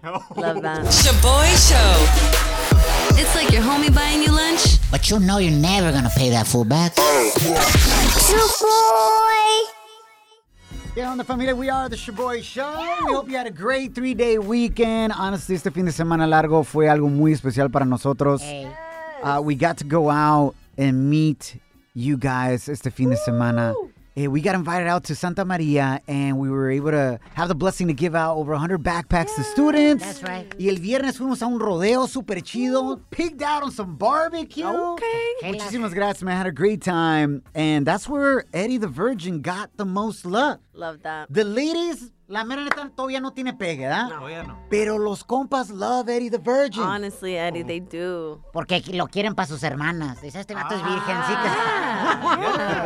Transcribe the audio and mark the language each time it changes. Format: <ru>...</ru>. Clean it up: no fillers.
<en>Love that. Shaboy Show. It's like your homie buying you lunch, but you know you're never going to pay that full back. Shaboy. Yeah, on the familia, we are the Shaboy Show. Yeah. We hope you had a great 3-day weekend.</en> <es>Honestly, este fin de semana largo fue algo muy especial para nosotros.</es> <en>Hey. Yes. We got to go out and meet you guys, it's the</en> <es>fin de semana.</es> <en>Hey, we got invited out to Santa Maria, and we were able to have the blessing to give out over 100 backpacks to students. That's right.</en> <es>Y el viernes fuimos a un rodeo super chido.</es> <en>Pigged out on some barbecue. Okay.</en> <es>Muchísimas gracias,</es> <en>man. I had a great time. And that's where Eddie the Virgin got the most love. Love that. The ladies,</en> <es>la mera neta todavía no tiene pegue, ¿verdad? No, ya no. Pero los compas</es> <en>love Eddie the Virgin. Honestly, Eddie, they do.</en> <es>Porque lo quieren para sus hermanas. Dice, este vato es virgencita.</es>